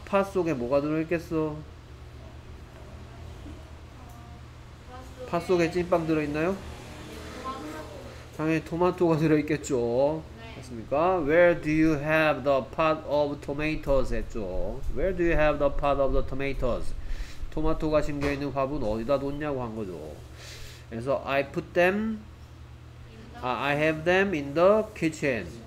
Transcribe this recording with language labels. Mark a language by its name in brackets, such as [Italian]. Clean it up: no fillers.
[Korean] 팟 속에 뭐가 들어있겠어? 팟 속에 찐빵 들어있나요? 당연히 토마토가 들어있겠죠. 됐습니까? [English] Where do you have the pot of tomatoes [Korean] 했죠? [English] Where do you have the pot of the tomatoes? [Korean] 토마토가 심겨있는 화분 어디다 뒀냐고 한 거죠. 그래서 [English] I put them I have them in the kitchen.